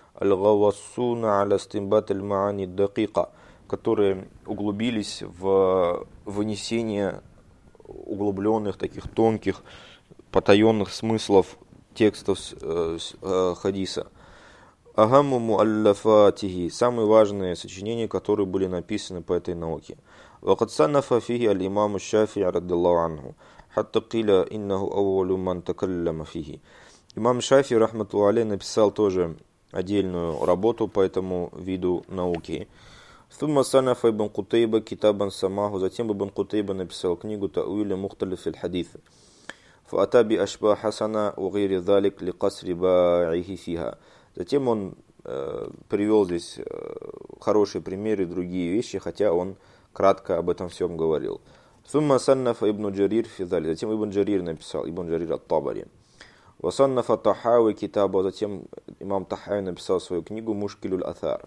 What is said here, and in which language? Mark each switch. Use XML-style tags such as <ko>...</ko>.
<ar>Аль-гавасуна аля стимбат аль-маани дакика,</ar> <ru>которые углубились в вынесение углубленных, таких тонких, потаенных смыслов текстов хадиса. Агамму аль-лафатихи, самые важные сочинения, которые были написаны по этой науке.</ru> <ar>وقد صنف فيه الإمام الشافعي رضي الله عنه حتى قيل إنه أول من تكلم فيه.</ar> <ru>Имам Шафии рахматуллахи алейхи написал тоже отдельную работу по этому виду науки.</ru> <ar>ثم صنف ابن قتيبة كتابا سماه.</ar> <ru>Затем ابن قتيبة написал книгу</ru> <ar>تأويل مختلف الحديث. فأتى بأشباه حسنة وغير ذلك لقصر باعه فيها.</ar> <ru>Затем он привел здесь хорошие примеры и другие вещи, хотя он кратко об этом всем говорил.</ru> <ar>Сумма саннафа ибн Джарир фидали.</ar> <ru>Затем ибн Джарир написал,</ru> <ar>ибн Джарир ат-Табари. Ва саннафа Тахави китаба.</ar> <ru>Затем имам Тахави написал свою книгу Мушкилю аль-Атхар.</ru>